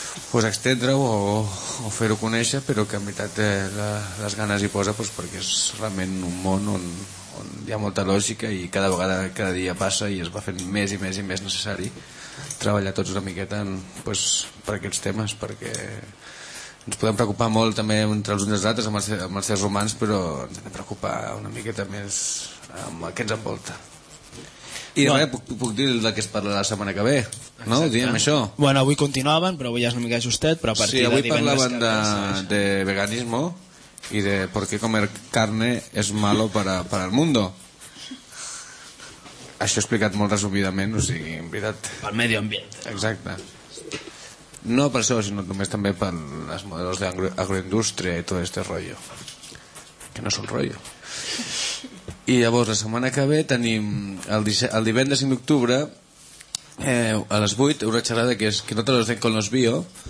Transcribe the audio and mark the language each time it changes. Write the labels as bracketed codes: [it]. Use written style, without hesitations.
[ca] pues extendre-ho o fer-ho conèixer, però que en veritat les ganes hi posa, pues, perquè és realment un món on hi ha molta lògica i cada vegada, cada dia passa i es va fent més i més i més necessari treballar tots una miqueta en, pues, per aquests temes, perquè ens podem preocupar molt també entre els uns i els altres amb els seres humans, però ens hem de preocupar una miqueta més amb el que ens envolta. I bueno, ara puc dir el que es parla la setmana que ve, no? Exacte. Diem això. Bueno, avui continuaven, però avui ja és una mica justet, però a partir sí, avui de divendres... Sí, avui parlaven de veganismo i de [es] por qué comer carne es malo para el mundo. [ca] Això he explicat molt resumidament, o sigui, en veritat... Pel medi ambient. Exacte. No per això, sinó només també per les models d'agroindústria i tot aquest rotllo. Que no és un rotllo. I llavors, la setmana que ve tenim el divendres 5 d'octubre a les 8, una xerrada que és que [es] no te los den con los bio